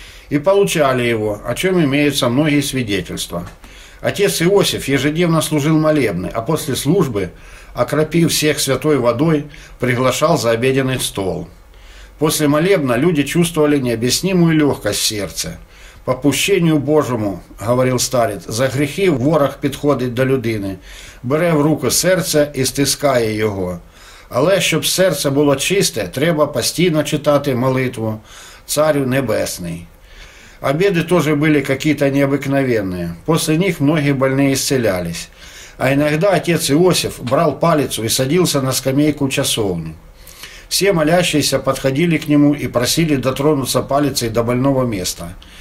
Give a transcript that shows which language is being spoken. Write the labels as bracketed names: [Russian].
[Russian] И получали его, о чем имеются многие свидетельства. Отец Иосиф ежедневно служил молебны, а после службы, окропив всех святой водой, приглашал за обеденный стол. После молебна люди чувствовали необъяснимую легкость в сердце. «По пущению Божьему, – говорил старец, [Ukrainian] – за грехи ворог підходить до людини, бере в руку серце і стискає його. Але, щоб серце було чисте, треба постійно читати молитву «Царю Небесний». [Russian] Обеди тоже были какие-то необыкновенные. После них многие больные исцелялись. А иногда отец Иосиф брал палицу и садился на скамейку часовни. Все молящиеся подходили к нему и просили дотронуться палицей до больного места.